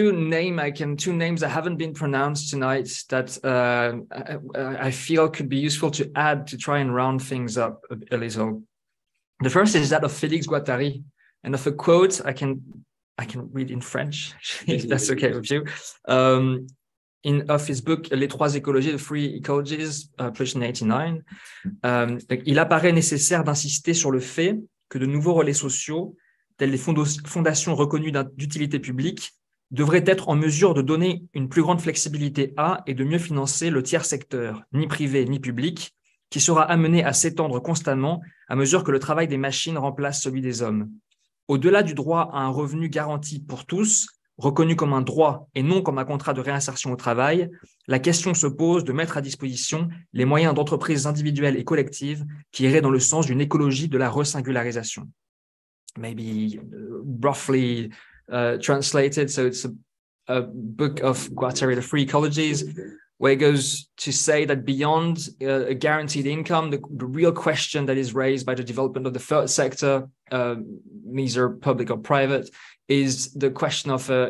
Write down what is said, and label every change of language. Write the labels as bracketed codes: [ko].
[en] There's two names that haven't been pronounced tonight that I feel could be useful to add to try and round things up a little. The first is that of Félix Guattari, and of a quote I can read in French, if that's okay with you. In of his book [fr] Les Trois Écologies, [en] The Three Ecologies, published in 1989, [fr] il apparaît nécessaire d'insister sur le fait que de nouveaux relais sociaux, tels les fondations reconnues d'utilité publique, devraient être en mesure de donner une plus grande flexibilité à et de mieux financer le tiers secteur, ni privé ni public, qui sera amené à s'étendre constamment à mesure que le travail des machines remplace celui des hommes. Au-delà du droit à un revenu garanti pour tous, reconnu comme un droit et non comme un contrat de réinsertion au travail, la question se pose de mettre à disposition les moyens d'entreprises individuelles et collectives qui iraient dans le sens d'une écologie de la resingularisation. [en] Maybe roughly translated, so it's a book of Guattari, The Three Ecologies, where it goes to say that beyond a guaranteed income, the real question that is raised by the development of the third sector, neither public or private, is the question of